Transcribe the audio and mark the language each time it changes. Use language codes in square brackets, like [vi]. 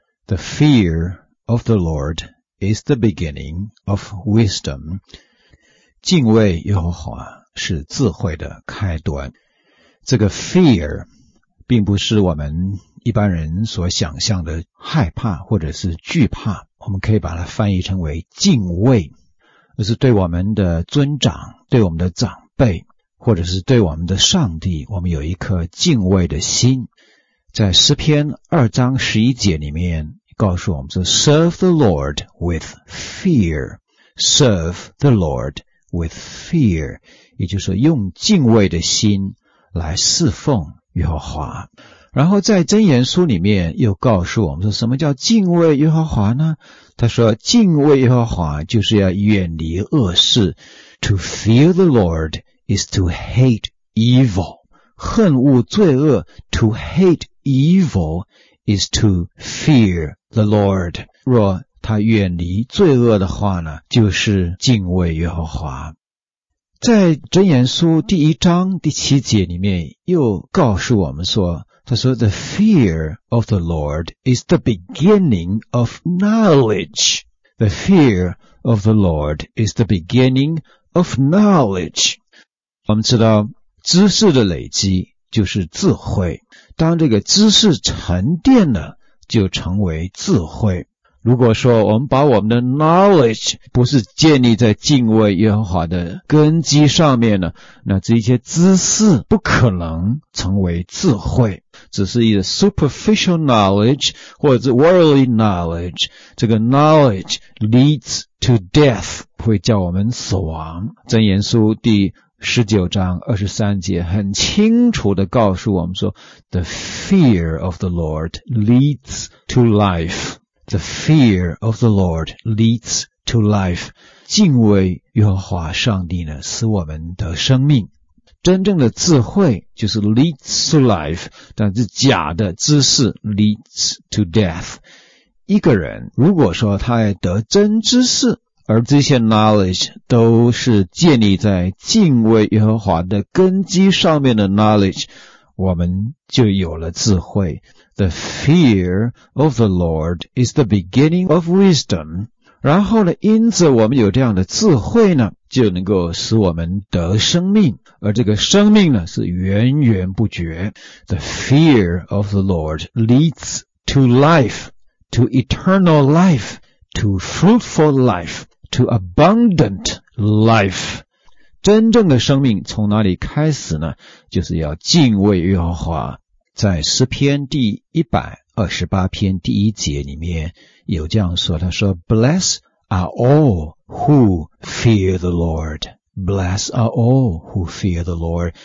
[en] The fear of the Lord is the beginning of wisdom. [zh] 敬畏耶和华是智慧的开端。这个 fear 并不是我们一般人所想象的害怕或者是惧怕，我们可以把它翻译成为敬畏，而是对我们的尊长，对我们的长辈，或者是对我们的上帝，我们有一颗敬畏的心。在诗篇二章十一节里面告诉我们说 [en] Serve the Lord with fear. Serve the Lord with fear. [zh] 也就是说用敬畏的心来侍奉耶和华。然后在箴言书里面又告诉我们说什么叫敬畏耶和华呢？他说敬畏耶和华就是要远离恶事。 [en] To fear the Lord is to hate evil. [zh] 恨恶罪恶， [en] To hate evil is to fear the Lord. [zh] 若他远离罪恶的话呢，就是敬畏耶和华。在箴言书第一章第七节里面又告诉我们说，他说 [en] The fear of the Lord is the beginning of knowledge. The fear of the Lord is the beginning of knowledge. [zh] 我们知道知识的累积就是智慧，当这个知识沉淀了就成为智慧。如果说我们把我们的 knowledge 不是建立在敬畏耶和华的根基上面呢，那这些知识不可能成为智慧，只是一个 [en] superficial knowledge [zh] 或者是 [en] worldly knowledge。 [zh] 这个 [en] knowledge leads to death， [zh] 会叫我们死亡。箴言书第19章23节很清楚地告诉我们说 [en] The fear of the Lord leads to life. The fear of the Lord leads to life. [zh] 敬畏耶和华上帝呢，使我们得生命。真正的智慧就是 [en] leads to life， [zh] 但是假的知识 [en] leads to death。 [zh] 一个人如果说他要得真知识，而这些 knowledge 都是建立在敬畏耶和华的根基上面的 knowledge， 我们就有了智慧。 [en] The fear of the Lord is the beginning of wisdom. [zh] 然后呢，因此我们有这样的智慧呢，就能够使我们得生命，而这个生命呢是源源不绝。 [en] The fear of the Lord leads to life, to eternal life, to fruitful life,to abundant life. [zh] 真正的生命从哪里开始呢？就是要敬畏耶和华。在诗篇第128篇第一节里面有这样说，他说 [en] Bless are all who fear the Lord. Bless are all who fear the Lord.